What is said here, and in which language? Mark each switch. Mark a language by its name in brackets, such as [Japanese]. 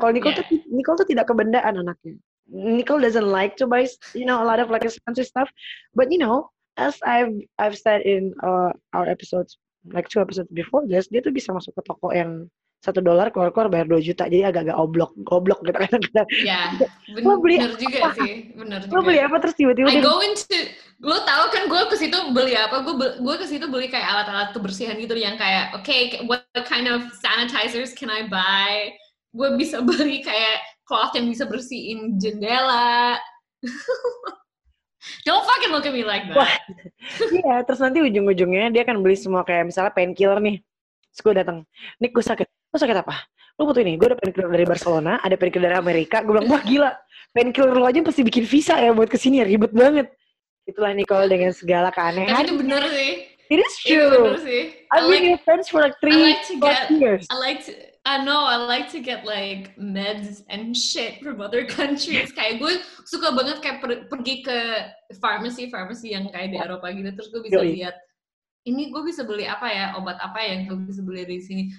[Indonesian] Kalau Nicole tuh tidak kebendaan anaknya. [English] Nicole doesn't like to buy, you know, a lot of like expensive stuff. But you know, as I've said in our episodes, like two episodes before this, [Indonesian] dia tuh bisa masuk ke toko yang $1 keluar-keluar bayar 2 juta. Jadi agak-agak oblok gitu kan. Iya. Benar juga. Lo beli apa terus tiba-tiba? Lo tahu kan gue ke situ beli apa? Gue ke situ beli kayak alat-alat kebersihan gitu yang kayak, [English] okay, what kind of sanitizers can I buy? [Indonesian] Gue bisa beli kayak cloth yang bisa bersihin jendela. [English] Don't fucking look at me like that. [Indonesian] Iya, terus nanti ujung-ujungnya dia akan beli semua kayak misalnya painkiller nih. Terus gue datang, Nick gue sakit. Lo sakit apa? Lo butuh ini, gue ada painkiller dari Barcelona, ada painkiller dari Amerika. Gue bilang, wah gila, painkiller lo aja pasti bikin visa ya buat kesini, ribet banget. Itulah Nicole dengan segala keanehan. Tapi itu bener sih. [English] It is true. [Indonesian] Itu bener sih. [English] I've been your friends for like 3 years. I like to get like meds and shit from other countries. [Indonesian] Kayak gue suka banget kayak pergi ke pharmacy yang kayak di Eropa gitu. Terus gue bisa lihat. Ini gue bisa beli apa ya, obat apa yang gue bisa beli di sini.